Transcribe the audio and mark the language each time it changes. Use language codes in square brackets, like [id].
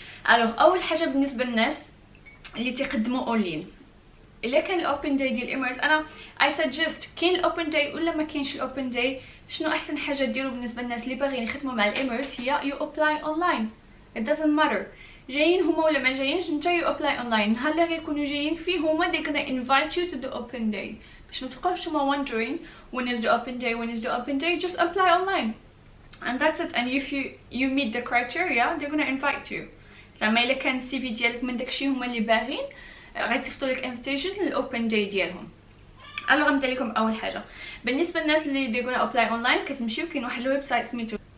[ar] الوغ اول حاجه بالنسبه للناس اللي تقدموا اونلاين, الا كان الاوبن داي ديال الاميرز, انا [en] I suggest [ar] كاين الاوبن داي ولا ما كاينش الاوبن داي, شنو احسن حاجه ديروا بالنسبه للناس اللي باغيين يخدموا مع الاميرز هي [en] You apply online. It doesn't matter [ar] جايين هما ولا ما جايينش, انت [en] You apply online. [ar] نهار اللي غيكونوا جايين فيه هما [en] they can invite you to the open day, [ar] باش ما تبقاوش نتوما وندرين [en] where is the open day [ar] وين از ذا اوبن داي, [en] Just apply online and that's it. And if you meet the criteria they're gonna invite you. [ar] زعما الا كان السي في ديالك من داكشي هما اللي باغين غيصيفطوا لك انفيتيشن للاوبن داي ديالهم. الو غنبدا لكم اول حاجه بالنسبه للناس اللي [en] they gonna apply online, [ar] كتمشيو كاين واحد الويب سايت سميتو